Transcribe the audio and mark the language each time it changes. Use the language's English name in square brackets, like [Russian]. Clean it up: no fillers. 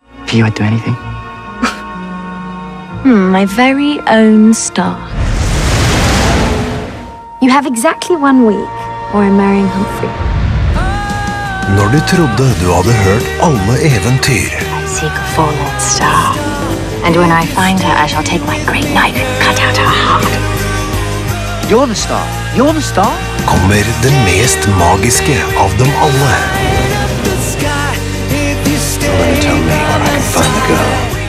[English] Do you want to do anything? My very own star. You have exactly 1 week, or I'm marrying Humphrey. [Norwegian] Når du trodde du hadde hørt alle eventyr, [English] I seek a fallen star. And when I find her, I shall take my great knife and cut out her heart. You're the star. You're the star. [Norwegian] Kommer den mest magiske av dem alle. [English] You're gonna tell me where I can find the girl.